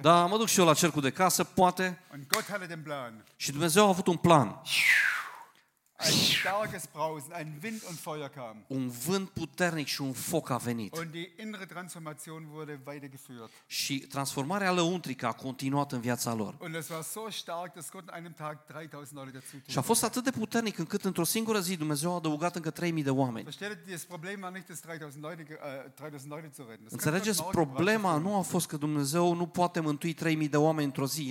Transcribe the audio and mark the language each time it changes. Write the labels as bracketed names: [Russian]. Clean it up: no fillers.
[Romanian] Da, mă duc și eu la cercul de casă, poate. [German] Und Gott hatte den Plan. [Romanian] Și Dumnezeu a avut un plan. [German] Ein starkes Brausen, ein Wind und Feuer kam. [Romanian] Un vânt puternic și un foc a venit. [German] Und die innere Transformation wurde weitergeführt. [Romanian] Și transformarea lăuntrică a continuat în viața lor. [German] Und es war so stark, dass Gott an einem Tag 3000 Leute dazu [Romanian] tun. Și a fost atât de puternic încât într-o singură zi Dumnezeu a adăugat încă 3000 de oameni. [German] Das Problem war nicht, dass 3000 Leute zu retten. [Romanian] Înțelegeți, problema nu a fost că Dumnezeu nu poate mântui 3000 de oameni într-o zi.